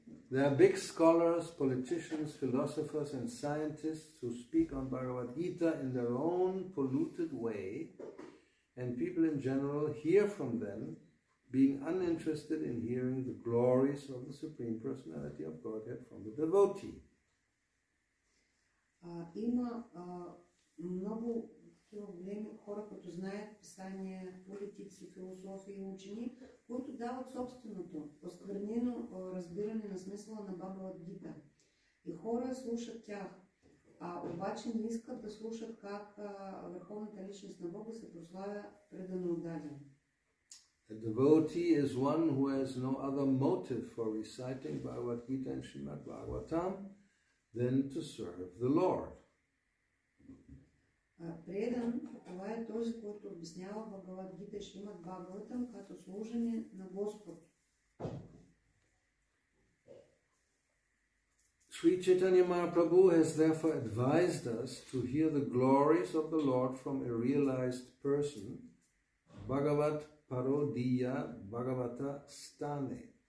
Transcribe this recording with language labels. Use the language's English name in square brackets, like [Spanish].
[English] There are big scholars, politicians, philosophers and scientists who speak on Bhagavad Gita in their own polluted way, and people in general hear from them, being uninterested in hearing the glories of the Supreme Personality of Godhead from the devotee. [Bulgarian] Има много големи хора, които знаят писания, политици, философи и учени, които дават собственото, осквернено разбиране на смисъла на Бхагавад Гита. И хора слушат тях, а обаче не искат да слушат как върховната личност на Бога се прославя предано отдаден. [English] A devotee is one who has no other motive for reciting Bhagavad Gita and Srimad Bhagavatam than to serve the Lord. [Bulgarian] Предан, това е този, който обяснява Бхагавад Гита и Шримад Бхагаватам като служение на Господ. [English] Sri Chaitanya Mahaprabhu has therefore advised us to hear the glories of the Lord from a realized person, [Sanskrit] Bhagavat Parodiya Bhagavata Stane.